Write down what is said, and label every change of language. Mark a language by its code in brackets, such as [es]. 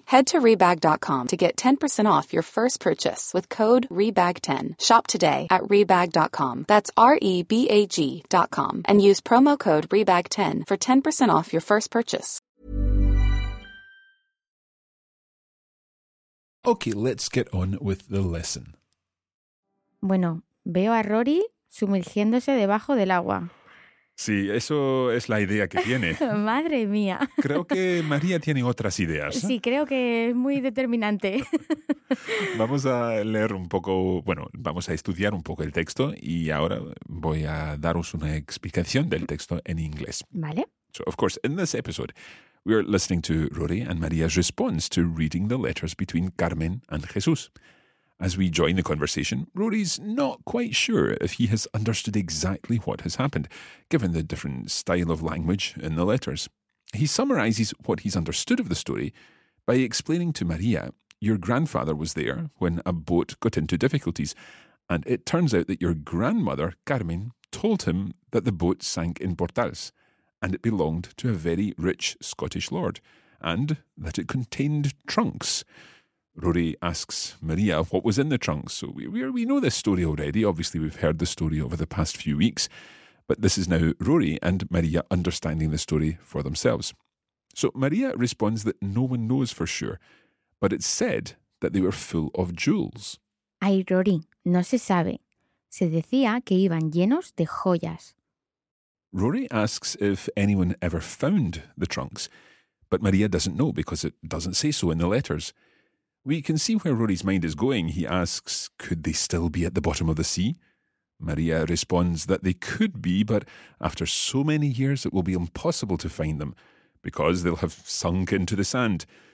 [en] Head to Rebag.com to get 10% off your first purchase with code REBAG10. Shop today at Rebag.com. That's REBAG.com. And use promo code REBAG10 for 10% off your first purchase. Okay, let's get on with the lesson. [es] Bueno, veo a Rory sumergiéndose debajo del agua. Sí, eso es la idea que tiene. Madre mía. Creo que María tiene otras ideas. Sí, creo que es muy determinante. Vamos a leer un poco, bueno, vamos a estudiar un poco el texto y ahora voy a daros una explicación del texto en inglés. Vale. [en] So, of course, in this episode, we are listening to Rory and Maria's response to reading the letters between Carmen and Jesús. As we join the conversation, Rory's not quite sure if he has understood exactly what has happened, given the different style of language in the letters. He summarizes what he's understood of the story by explaining to Maria, your grandfather was there when a boat got into difficulties, and it turns out that your grandmother, Carmen, told him that the boat sank in Portals, and it belonged to a very rich Scottish lord, and that it contained trunks. Rory asks Maria what was in the trunks. So we know this story already. Obviously, we've heard the story over the past few weeks. But this is now Rory and Maria understanding the story for themselves. So Maria responds that no one knows for sure, but it's said that they were full of jewels. [es] Ay, Rory, no se sabe. Se decía que iban llenos de joyas. [en] Rory asks if anyone ever found the trunks, but Maria doesn't know because it doesn't say so in the letters. We can see where Rory's mind is going. He asks, could they still be at the bottom of the sea? Maria responds that they could be, but after so many years it will be impossible to find them because they'll have sunk into the sand.